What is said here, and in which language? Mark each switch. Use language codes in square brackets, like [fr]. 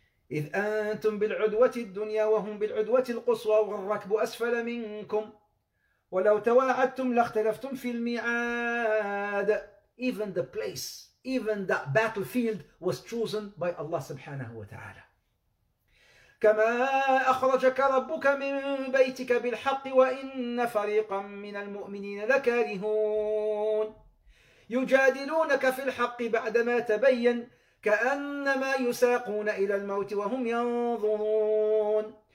[ar] إذ أنتم بالعدوة الدنيا وهم بالعدوة القصوى والركب أسفل منكم ولو تواعدتم لاختلفتم في الميعاد. [en] Even the place, even that battlefield was chosen by Allah subhanahu wa ta'ala. [ar] كما أخرجك ربك من بيتك بالحق وإن فريقا من المؤمنين لكارهون يجادلونك في الحق بعدما تبين كأنما يساقون إلى الموت وهم ينظرون